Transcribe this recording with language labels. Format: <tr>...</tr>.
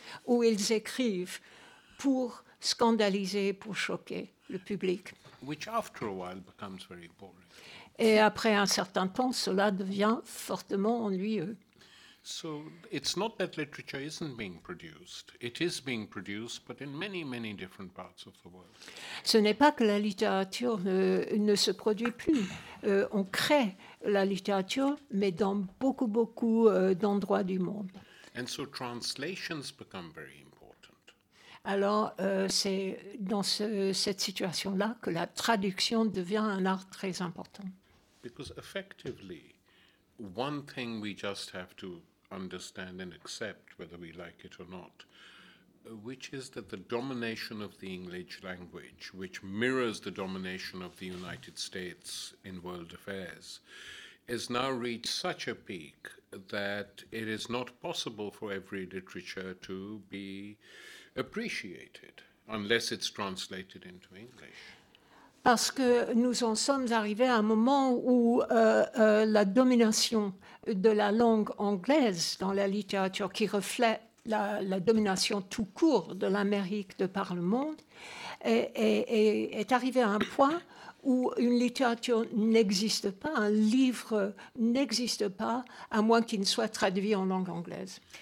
<fr>Ou ils écrivent pour scandaliser, pour choquer le public.</fr> <en>Which after a while becomes very boring.</en> <fr>Et après un certain temps, cela devient fortement ennuyeux.</fr> <en>So it's not that literature isn't being produced. It is being produced, but in many, many different parts of the world.</en> <fr>Ce n'est pas que la littérature ne se produit plus. On crée la littérature, mais dans beaucoup, beaucoup d'endroits du monde.</fr> <en>And so translations become very important.</en> <fr>Alors, c'est dans cette situation-là que la traduction devient un art très important.</fr> <en>Because effectively, one thing we just have to understand and accept, whether we like it or not, which is that the domination of the English language, which mirrors the domination of the United States in world affairs, has now reached such a peak that it is not possible for every literature to be appreciated unless it's translated into English.</en> <fr>Parce que nous en sommes arrivés à un moment où la domination de la langue anglaise dans la littérature, qui reflète la domination tout court de l'Amérique de par le monde, est arrivée à un point où une littérature n'existe pas, un livre n'existe pas, à moins qu'il ne soit traduit en langue anglaise.</fr>